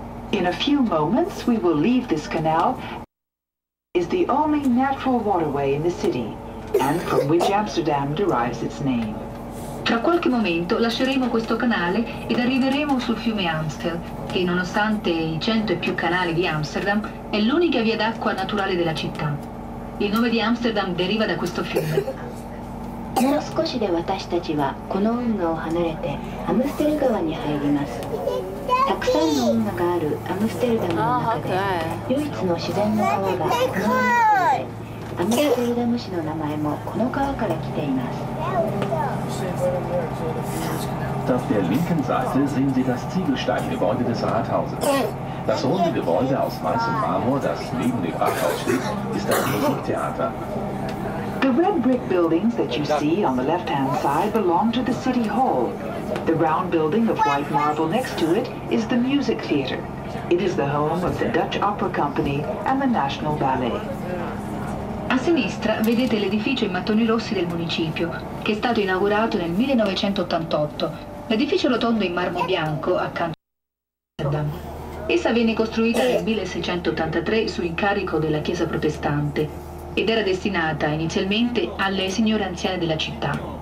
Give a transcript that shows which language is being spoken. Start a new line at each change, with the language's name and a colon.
English: In a few moments we will leave this canal. It is the only natural waterway in the city and from which Amsterdam derives its name.
Italian: Tra qualche momento lasceremo questo canale ed arriveremo sul fiume Amstel, che nonostante i 100 e più canali di Amsterdam è l'unica via d'acqua naturale della città. Il nome di Amsterdam deriva da questo fiume.
Japanese: もう少しで私たちはこの運河を離れてアムステル川に入ります。たくさんの運河があるアムステルダムの中で唯一の自然の川がこの運河で、アムステルダム市の名前もこの川から来ています。
German: Auf der linken Seite sehen Sie das Ziegelsteingebäude des Rathauses. Das runde Gebäude aus weißem Marmor, das neben dem Rathaus steht, ist das Musiktheater.
English: The red brick buildings that you see on the left-hand side belong to the city hall. The round building of white marble next to it is the music theater. It is the home of the Dutch Opera Company and the National Ballet.
Italian: A sinistra vedete l'edificio in mattoni rossi del municipio, che è stato inaugurato nel 1988. L'edificio rotondo in marmo bianco accanto a essa venne costruita nel 1683 su incarico della Chiesa protestante ed era destinata inizialmente alle signore anziane della città.